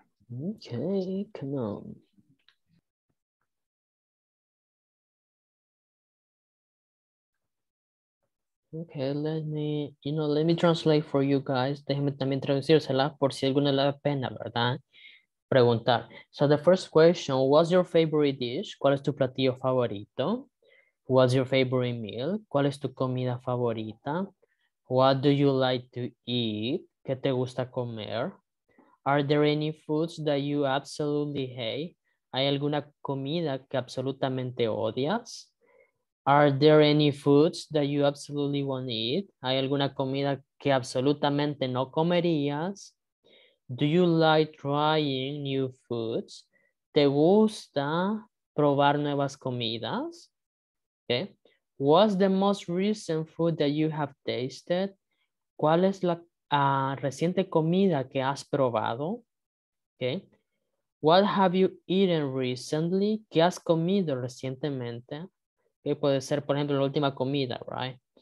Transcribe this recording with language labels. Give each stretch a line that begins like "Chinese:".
English: Okay, come on. Okay, let me translate for you guys.
Spanish: Déjenme también traducírsela por si alguna le da pena, ¿verdad? Preguntar.
English: So the first question, what's your favorite dish?
Spanish: ¿Cuál es tu platillo favorito?
English: What's your favorite meal?
Spanish: ¿Cuál es tu comida favorita?
English: What do you like to eat?
Spanish: ¿Qué te gusta comer?
English: Are there any foods that you absolutely hate?
Spanish: ¿Hay alguna comida que absolutamente odias?
English: Are there any foods that you absolutely won't eat?
Spanish: ¿Hay alguna comida que absolutamente no comerías?
English: Do you like trying new foods?
Spanish: ¿Te gusta probar nuevas comidas?
English: Okay. What's the most recent food that you have tasted?
Spanish: ¿Cuál es la reciente comida que has probado? Okay.
English: What have you eaten recently?
Spanish: ¿Qué has comido recientemente? Que okay, puede ser, por ejemplo, la última comida, right?